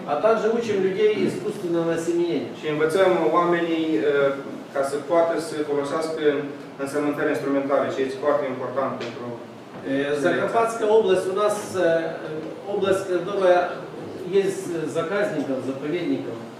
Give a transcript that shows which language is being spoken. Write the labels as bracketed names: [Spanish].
[Russian] A также учим людей искусственного семенения. [Romanian] Și învățăm oamenii ca să poată să folosească însămânțări instrumentale, ce este foarte important pentru... [Russian] Закарпатская область, у нас область, которая есть заказником, заповедником.